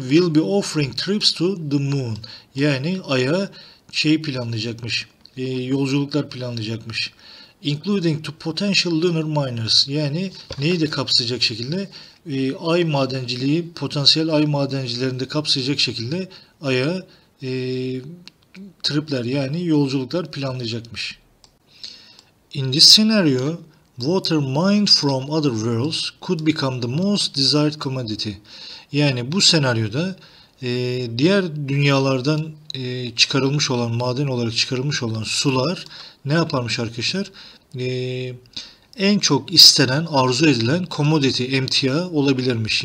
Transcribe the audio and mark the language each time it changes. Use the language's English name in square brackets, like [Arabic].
[English] Will be offering trips to the moon. [Turkish] Yani Ay'a şey planlayacakmış, yolculuklar planlayacakmış. [English] Including to potential lunar miners. [Turkish] Yani neyi de kapsayacak şekilde? Ay madenciliği, potansiyel ay madencilerini de kapsayacak şekilde Ay'a tripler, yani yolculuklar planlayacakmış. [English] In this scenario, water mined from other worlds could become the most desired commodity. [Turkish] Yani bu senaryoda diğer dünyalardan çıkarılmış olan, maden olarak çıkarılmış olan sular ne yaparmış arkadaşlar? En çok istenen, arzu edilen commodity, emtia olabilirmiş.